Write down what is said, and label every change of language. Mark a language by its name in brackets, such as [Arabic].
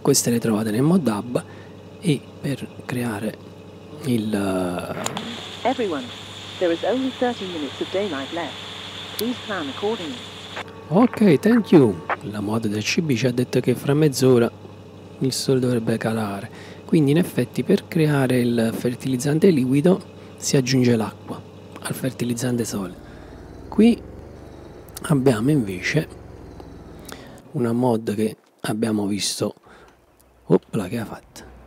[Italian] Queste le trovate nel mod hub, e per creare il [English] Everyone, there is only 30 minutes of daylight left. Please plan accordingly. Ok, thank you. [Italian] La moda del CB ci ha detto che fra mezz'ora il sole dovrebbe calare. Quindi in effetti per creare il fertilizzante liquido si aggiunge l'acqua al fertilizzante sole. Qui abbiamo invece una mod che abbiamo visto. Oppla, che ha fatto?